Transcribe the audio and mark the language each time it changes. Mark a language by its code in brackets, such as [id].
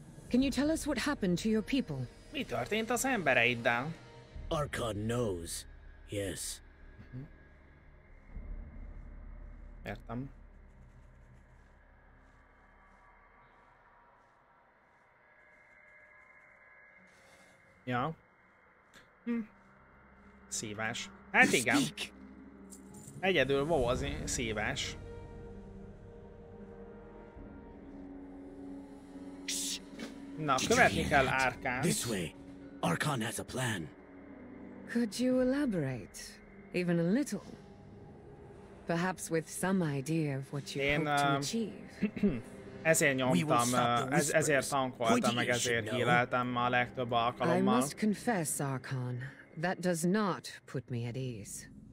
[en] Can you tell us what happened to your people? [hu] Mi történt az embereiddel? [en] Archon knows. Yes. [hu] Értem. Ja. Szívás. Hát igen. Egyedül wow, az szívás. Na, követni kell Arkánt. [en] This way. Archon has a plan. Could you elaborate? Even a little? Perhaps with some idea of what you hope to achieve. [hu] Ezért nyomtam, ezért tankoltam, meg ezért híleltem a legtöbb alkalommal. [en] I must confess, Archon, that does not put me at ease.